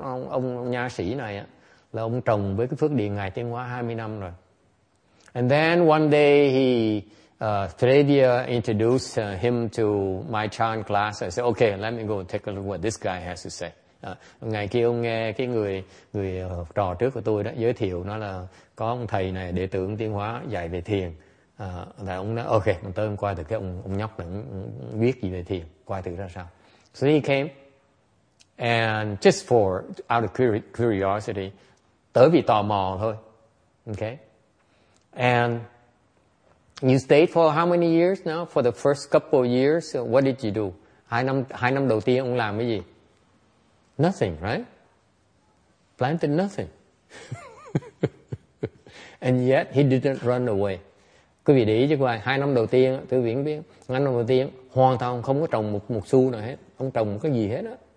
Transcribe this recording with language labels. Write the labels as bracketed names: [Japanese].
[Vietnamese] Ông nha sĩ này á, là ông trồng với cái phước điền ngài Tiên Hóa 20 năm rồi. [English] And then one day Thredia introduced him to my Chan class. I said, okay, let me go take a look what this guy has to say. [Vietnamese] Ngày kia ông nghe cái người học trò trước của tôi đó giới thiệu, nó là có ông thầy này đệ tử Tiên Hóa dạy về thiền. Là ông nói, okay, mình tới coi thử cái ông nhóc này biết gì về thiền, coi thử ra sao. [English] So he came, and just for out of curiosity, [Vietnamese] tới vì tò mò thôi. [English] Okay. And you stayed for how many years now? For the first couple of years, what did you do? [Vietnamese] Hai năm đầu tiên ông làm cái gì? [English] Nothing, right? Planted nothing. And yet he didn't run away. [Vietnamese] Quý vị để ý cho coi, hai năm đầu tiên, tôi viễn biết, hai năm đầu tiên hoàn toàn không có trồng một xu nào hết, không trồng một cái gì hết á.